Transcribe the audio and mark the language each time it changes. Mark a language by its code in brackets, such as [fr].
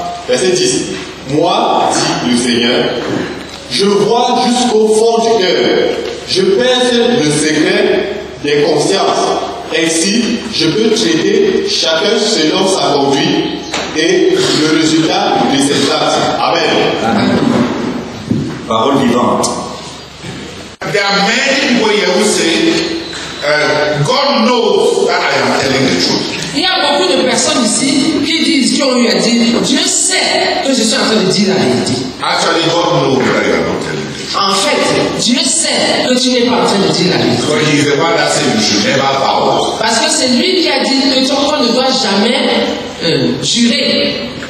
[fr] Verset 10. Moi, dit le Seigneur, je vois jusqu'au fond du cœur. Je pèse le secret des consciences. Ainsi, je peux traiter chacun selon sa conduite et le résultat de ses actes. Amen. Amen. Parole vivante. [en] There are many people who say, God knows that I am telling the truth. [fr] Il y a beaucoup de personnes ici qui disent, qui ont eu à dire, Dieu sait que je suis en train de dire la vérité. [en] Actually, God knows that I am not telling the truth. [fr] En fait, Dieu sait que tu n'es pas en train de dire la vérité. [en] Because he is the one that said you should never vow. [fr] Parce que c'est lui qui a dit que ton corps ne doit jamais jurer.